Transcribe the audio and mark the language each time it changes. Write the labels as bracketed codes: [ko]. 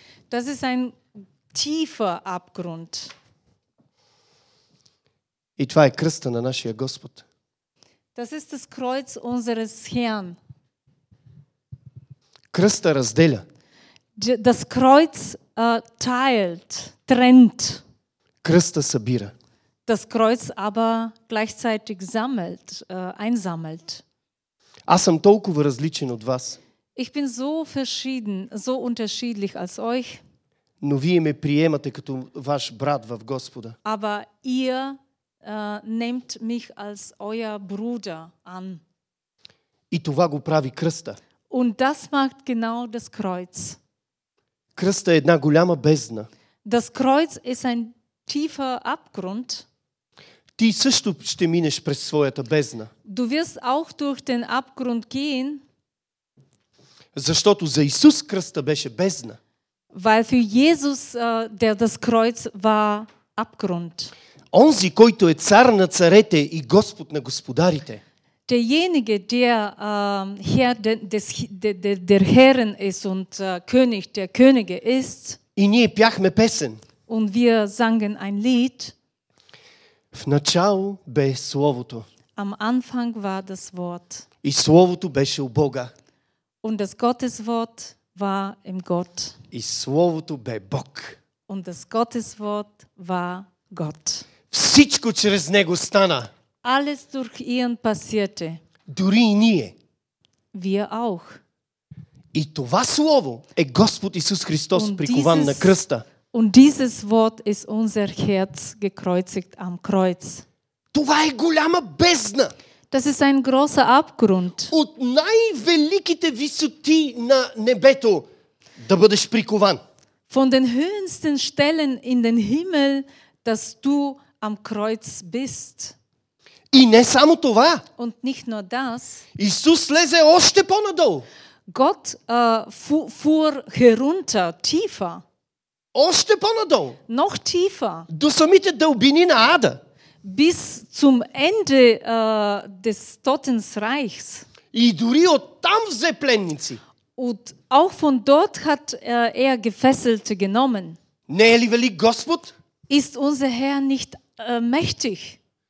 [de] Das ist ein tiefer Abgrund. [bg] И това е кръста на нашия Господ. [de] Das ist das Kreuz unseres Herrn. [bg] Кръста разделя. [de] Das Kreuz teilt, trennt. [bg] Кръста събира. [de] Das Kreuz aber gleichzeitig sammelt, einsammelt. [bg] Аз съм толкова различен от вас. [de] Ich bin so verschieden, so unterschiedlich als euch. [bg] Но вие ме приемате като ваш брат в Господа. [de] Aber ihr nehmt mich als euer Bruder an. [bg] И това го прави кръста. [de] Und das macht genau das Kreuz. [bg] Кръста е една голяма бездна. [de] Das Kreuz ist ein tiefer Abgrund. [bg] Ти също ще минеш през своята бездна. [de] Du wirst auch durch den Abgrund gehen. [bg] Защото за Исус кръста беше бездна. [de] Weil für Jesus der das Kreuz war Abgrund. [bg] Онзи, който е цар на царете и Господ на господарите. [de] Derjenige, der Herr des, der, der Herren ist und König der Könige ist. [bg] И ние пяхме песен. [de] Und wir sangen ein Lied. [bg] В начало бе Словото. [de] Am Anfang war das Wort. [bg] И Словото беше у Бога. [de] Und das Gotteswort war im Gott. [bg] И Словото бе Бог. [de] Und das Gotteswort war Gott. [bg] Всичко чрез Него стана. [de] Alles durch ihn passierte. [bg] Дори и ние. [de] Wir auch. [bg] И това Слово е Господ Исус Христос, прикован на кръста. [de] Und dieses Wort ist unser Herz gekreuzigt am Kreuz. [bg] Това е голяма бездна. [de] Das ist ein großer Abgrund. [bg] От най-великите висоти на небето да бъдеш прикован. [de] Von den höchsten Stellen in den Himmel, dass du am Kreuz bist. [bg] И не само това. [de] Und nicht nur das. [bg] Исус лезе още по-надолу. [de] Gott fuhr herunter, tiefer. [bg] Още по-надолу. [de] Noch tiefer. [bg] До самите дълбини на ада. [de] Bis zum Ende des Toten Reichs. [bg] И дори оттам взе пленници. [de] Und auch von dort hat er Gefesselte genommen. [bg] Не е ли велик Господ? [de] Ist unser Herr nicht mächtig?